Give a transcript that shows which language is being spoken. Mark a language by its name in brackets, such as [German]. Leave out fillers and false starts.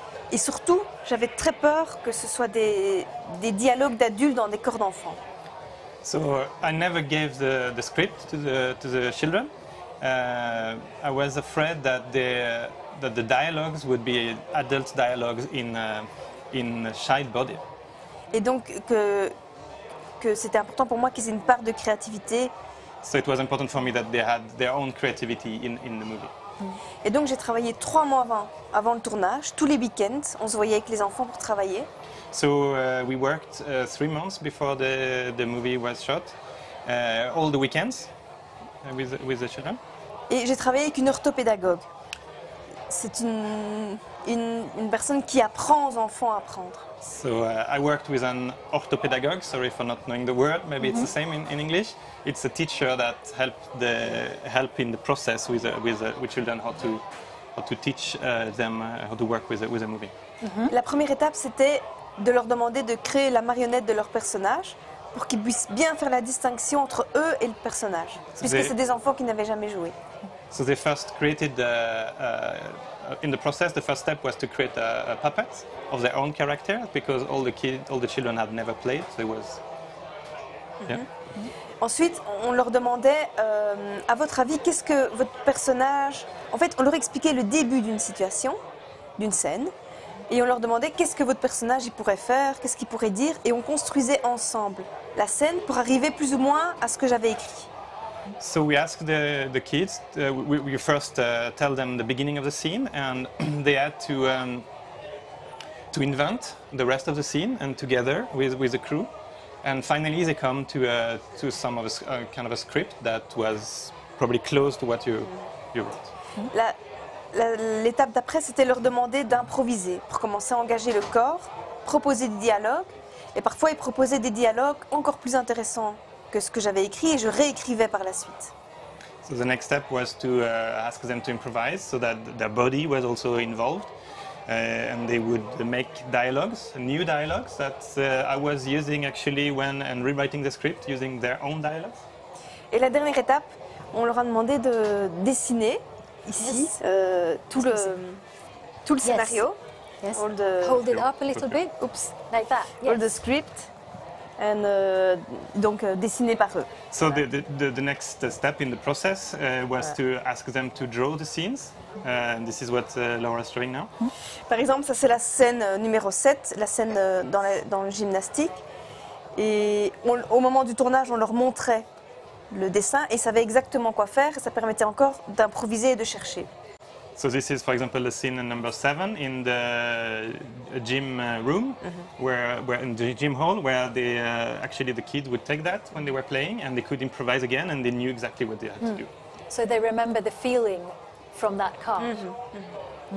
[French] Et surtout, j'avais très peur que ce soit des dialogues d'adultes dans des corps d'enfants. [English] So I never gave the script to the children. I was afraid that the dialogues would be adult dialogues in a child body. [French] Et donc que c'était important pour moi qu'ils aient une part de créativité. [English] So it was important for me that they had their own creativity in the movie. [French] Et donc j'ai travaillé 3 mois avant le tournage, tous les week-ends, on se voyait avec les enfants pour travailler. [English] So we worked 3 months before the movie was shot, all the weekends with the children. [French] Et j'ai travaillé avec une orthopédagogue. C'est une personne qui apprend aux enfants à apprendre. [English] So I worked with an orthopédagogue. Sorry for not knowing the word. Maybe it's the same in English. It's a teacher that help in the process with children how to teach them how to work with a movie. [French] La première étape c'était de leur demander de créer la marionnette de leur personnage pour qu'ils puissent bien faire la distinction entre eux et le personnage, puisque c'est des enfants qui n'avaient jamais joué. [English] So they first created in the process, the first step was to create a puppet of their own character because all the children had never played. So it was. [French] Ensuite, on leur demandait, à votre avis, qu'est-ce que votre personnage. En fait, on leur expliquait le début d'une situation, d'une scène, et on leur demandait qu'est-ce que votre personnage il pourrait faire, qu'est-ce qu'il pourrait dire, et on construisait ensemble la scène pour arriver plus ou moins à ce que j'avais écrit. [English] So we ask the kids. We first tell them the beginning of the scene, and they had to invent the rest of the scene and together with the crew. And finally, they come to some of a kind of a script that was probably close to what you wrote. [French] L'étape d'après, c'était leur demander d'improviser pour commencer à engager le corps, proposer des dialogues, et parfois ils proposaient des dialogues encore plus intéressants que ce que j'avais écrit, et je réécrivais par la suite. [English] So the next step was to ask them to improvise so that their body was also involved, and they would make dialogues, new dialogues that I was using actually when and rewriting the script using their own dialogues. [French] Et la dernière étape, on leur a demandé de dessiner ici tout le scénario. [English] Yes. Hold it up a little bit. Oops. Like that. Yes. Hold the script. [French] And donc dessiné par eux. So voilà. [English] the next step in the process was to ask them to draw the scenes. This is what Laura is drawing now. [French] Par exemple, ça c'est la scène numéro 7, la scène dans le gymnastique. Et au moment du tournage, on leur montrait le dessin et ils savaient exactement quoi faire. Ça permettait encore d'improviser et de chercher. [English] So this is, for example, the scene number 7 in the gym room, where in the gym hall, where they actually the kids would take that when they were playing, and they could improvise again, and they knew exactly what they had to do. So they remember the feeling from that card. Mm-hmm.